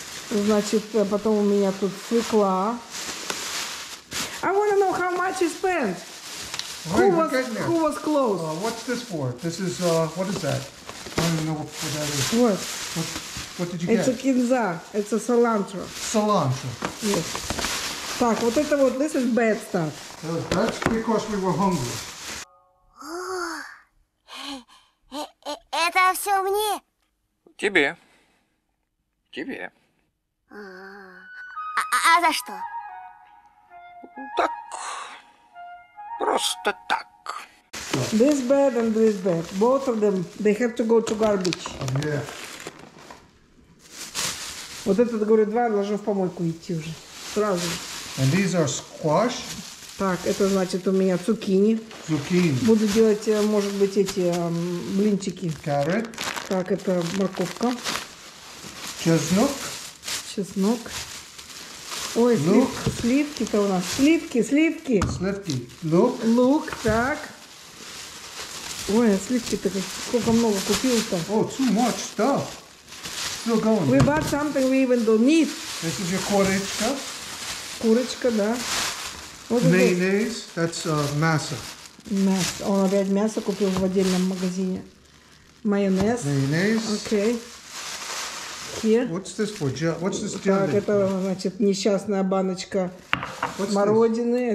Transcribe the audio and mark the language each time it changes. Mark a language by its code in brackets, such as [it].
[ru] Значит, потом у меня тут свекла. [en] I want to know how much you spent. Right, who was close? What's this for? This is what is that? I don't even know what that is. What did you get? It's a кинза. It's a cilantro. Cilantro. Yes. [ru] Так, вот это вот. [en] This is bad stuff. That's because we were hungry. [ru] Это все мне. Тебе. Тебе. А за что? Так, просто так. [en] This bed and this bed, both of them, they have to go to garbage. Yeah. [ru] Вот этот, говорю, два, должен в помойку идти уже. Сразу. [en] And these are squash? [ru] Так, это значит у меня цукини. Цукини. Буду делать, может быть, эти блинчики. [en] Carrot. [ru] Так, это морковка. Чеснок. Чеснок. Ой, лук. Сливки-то у нас. Сливки. Сливки. Лук. Лук, так. Ой, сливки-то сколько много купил-то. [en] Oh, too much stuff. Still going. We bought something we even don't need. This is your курочка. [ru] Курочка, да. Вот майонез, [en] that's [ru] мясо. Мясо. Он опять мясо купил в отдельном магазине. Майонез. Майонез. [en] Окей. Here. What's this for? What's this jelly? [ru] Так, это, значит, несчастная баночка смородины.